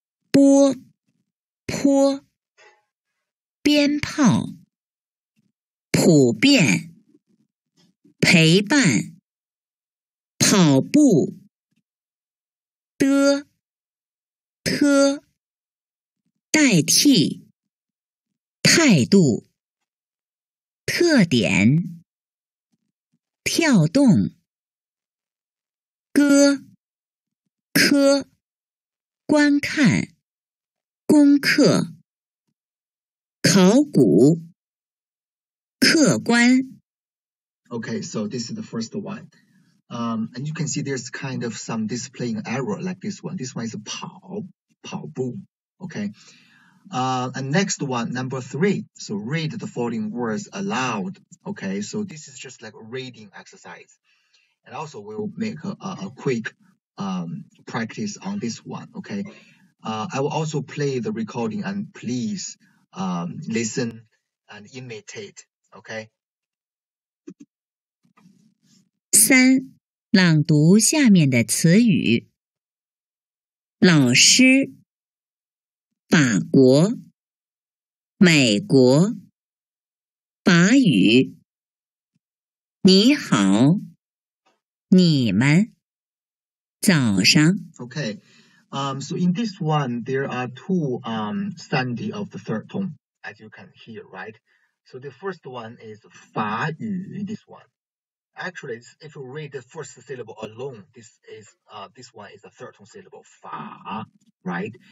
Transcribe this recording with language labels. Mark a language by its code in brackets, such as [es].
[zh] 波，坡，鞭炮，普遍，陪伴，跑步，的，特，代替，态度，特点，跳动，歌，科，观看，功课，考古，客观。 [en] Okay, so this is the first one. And you can see there's kind of some displaying error like this one. This one is 跑步, okay? And next one, number three. So read the following words aloud, okay? So this is just like a reading exercise. And also we'll make a quick practice on this one, okay? I will also play the recording and please listen and imitate, okay? [zh] 三，朗读下面的词语。老师，法国，美国，法语，你好，你们，早上。 [en] Okay, so in this one, there are two sandi of the third tone, as you can hear, right? So the first one is 法语, in this one. Actually, if you read the first syllable alone, this one is the third tone syllable, fa, right?